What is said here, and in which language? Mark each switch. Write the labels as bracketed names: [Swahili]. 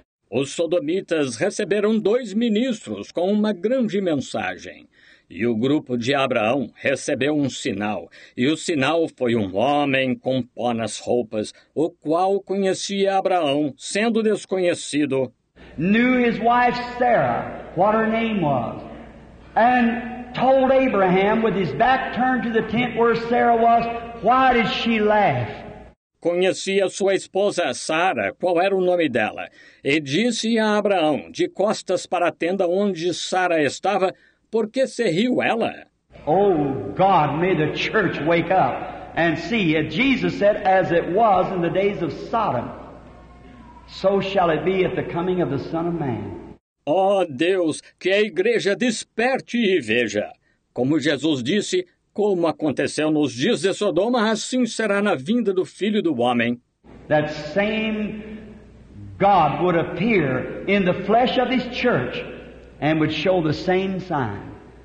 [Portuguese] Os sodomitas receberam dois ministros com uma grande mensagem. E o grupo de Abraão recebeu um sinal, e o sinal foi um homem com pó nas roupas, o qual conhecia Abraão, sendo desconhecido. [English] Knew his wife Sarah, what her name was, and told Abraham, with his back turned to the tent where Sarah was, why did she laugh? [Portuguese] Conhecia sua esposa Sara, qual era o nome dela, e disse a Abraão, de costas para a tenda onde Sara estava, por que se riu ela? [English] Oh, God, may the church wake up and see. Jesus said, as it was in the days of Sodom, so shall it be at the coming of the Son of Man. [Portuguese] Oh, Deus, que a igreja desperte e veja. Como Jesus disse, como aconteceu nos dias de Sodoma, assim será na vinda do Filho do Homem. [English] That same God would appear in the flesh of his church and would show the same sign.